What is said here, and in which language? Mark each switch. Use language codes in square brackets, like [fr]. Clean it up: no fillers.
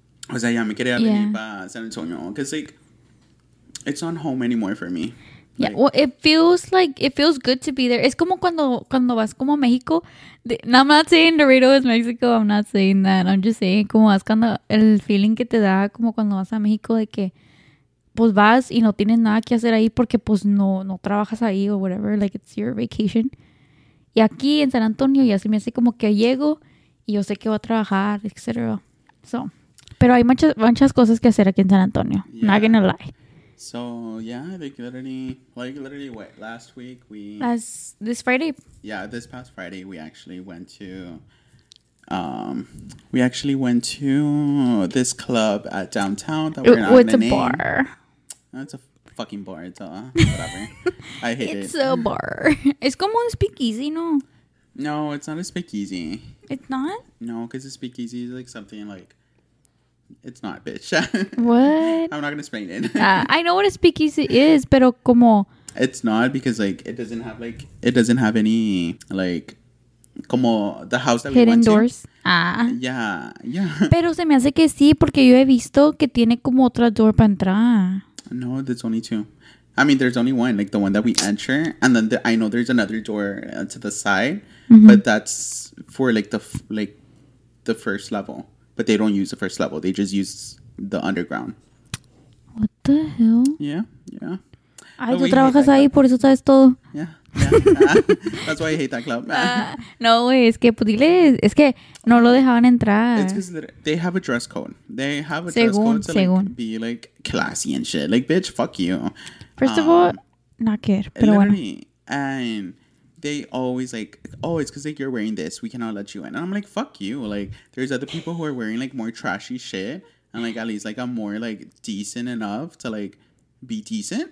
[es] O sea, ya me quería venir para San Antonio. [en] Because, like, it's not home anymore for me. Yeah, like, well, it feels good to be there. [es] Es como cuando vas como a México. [en] No, I'm not saying Laredo is Mexico. I'm not saying that. I'm just saying [es] como vas cuando... El feeling que te da como cuando vas a México de que... Pues vas y no tienes nada que hacer ahí porque pues no trabajas ahí o whatever. [en] Like, it's your vacation. [es] Y aquí en San Antonio ya se me hace como que llego y yo sé que voy a trabajar, etc. So... Pero hay muchas cosas que hacer aquí en San Antonio. [en] Yeah. Not gonna lie. So, yeah, like literally, what, last week we... This Friday. Yeah, this past Friday we actually went to... We actually went to this club at downtown that we're not gonna name. It's a bar. It's a fucking bar. It's a whatever. I hate it. It's a bar. It's [es] como un speakeasy, ¿no? [en] No, it's not a speakeasy. It's not? No, because a speakeasy is like something like... It's not, bitch. What? I'm not gonna explain it. I know what a speakeasy is, [es] pero como... [en] It's not because, like, it doesn't have any, like, como the house that hidden we went doors. To. Ah. Yeah. [es] Pero se me hace que sí, porque yo he visto que tiene como otra door para entrar. [en] No, there's only two. I mean, there's only one, like the one that we enter. And then I know there's another door to the side, mm-hmm. but that's for like the first level. But they don't use the first level. They just use the underground. What the hell? Yeah. [es] Ay, tú trabajas ahí, por eso sabes todo. [en] Yeah. That's why I hate that club. [es] No, es que dile, es que no lo dejaban entrar. [en] It's because they have a dress code. They have a según, dress code to like, be like classy and shit. Like, bitch, fuck you. First of all, not care, [es] pero bueno. [en] And they always like, oh, it's because like you're wearing this. We cannot let you in. And I'm like, fuck you. Like, there's other people who are wearing like more trashy shit. And like, at least like I'm more like decent enough to like be decent.